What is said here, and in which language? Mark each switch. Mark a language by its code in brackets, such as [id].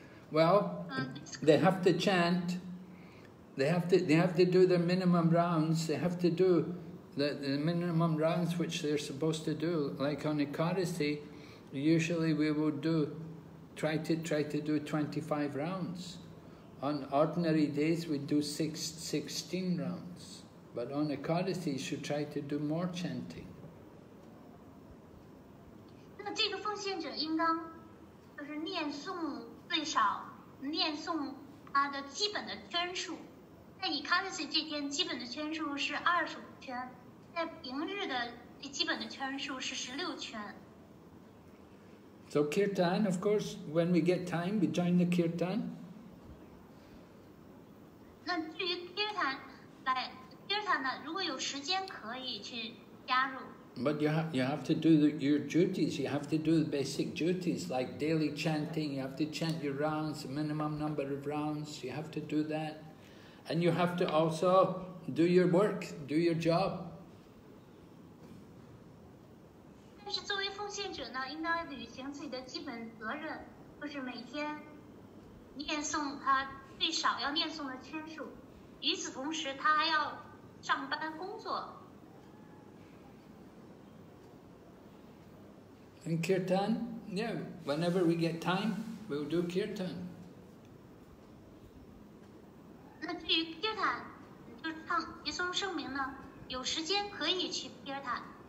[en] Well, they have to chant, they have to do their minimum rounds, they have to do the minimum rounds which they're supposed to do. Like on Ekadasi, usually we would try to do 25 rounds. On ordinary days, we do 16 rounds. But on Ekadasi, you should try to do more chanting. [zh] 那这个奉献者应当就是念诵最少念诵他的基本的圈数，在以卡斯这天基本的圈数是25圈，在平日的基本的圈数是16圈。 [en] So kirtan, of course, when we get time, we join the kirtan. [zh] 那至于 kirtan 呢？如果有时间可以去加入。 [en] But you have to do your duties. You have to do the basic duties like daily chanting. You have to chant your rounds, the minimum number of rounds. You have to do that, and you have to also do your work, do your job. [zh] 但是作为奉献者呢，应该履行自己的基本责任，就是每天念诵他最少要念诵的圈数。与此同时，他还要上班工作。 [en] And kirtan, yeah, whenever we get time, we'll do kirtan. [zh] 那至于 kirtan, 就是唱一诵圣名呢，有时间可以去 kirtan.